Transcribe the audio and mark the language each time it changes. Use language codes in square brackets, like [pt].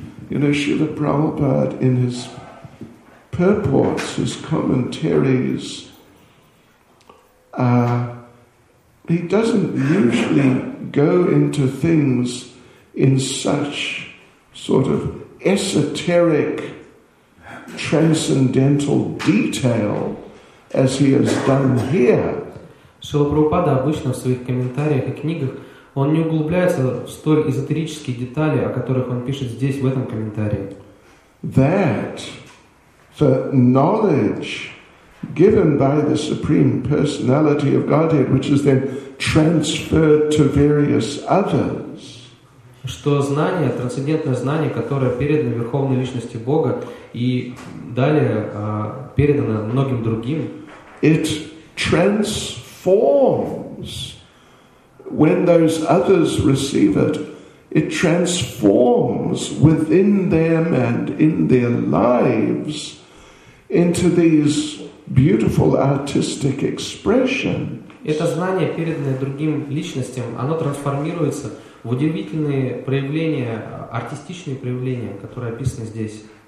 [en] You know, Srila Prabhupada, in his purports, his commentaries, he doesn't usually go into things in such sort of esoteric, transcendental detail as he has done here. [ru] Шрила Прабхупада обычно в своих комментариях и книгах он не углубляется в столь эзотерические детали, о которых он пишет здесь, в этом комментарии. [en] That the knowledge given by the Supreme Personality of Godhead, which is then transferred to various others, [ru] что знание, трансцендентное знание, которое передано Верховной Личности Бога и далее передано многим другим, [en] it transforms. When those others receive it, it transforms within them and in their lives into these beautiful artistic expressions. [ru] Это знание, переданное другим личностям, оно трансформируется в удивительные проявления, артистичные проявления, которые описаны здесь.